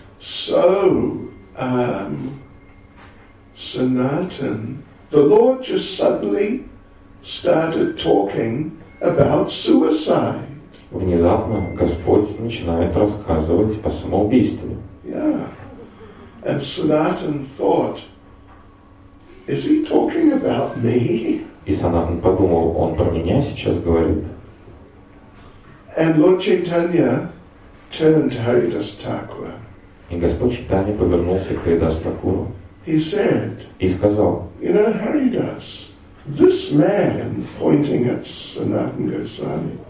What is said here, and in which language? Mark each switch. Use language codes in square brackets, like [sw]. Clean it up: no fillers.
[en] So, Sanatan, the Lord just suddenly started talking about suicide. [ru] Внезапно Господь начинает рассказывать о самоубийстве. [en] Yeah. And Sanatan thought, is he talking about me? [ru] И Санатан подумал, он про меня сейчас говорит. [en] And Lord Chaitanya turned to Haridas Thakura. [ru] И Господь Чайтанья повернулся к Харидас Такуру. [en] He said, [ru] и сказал, [en] you know, Haridas, this man pointing at Sanatan Goswami.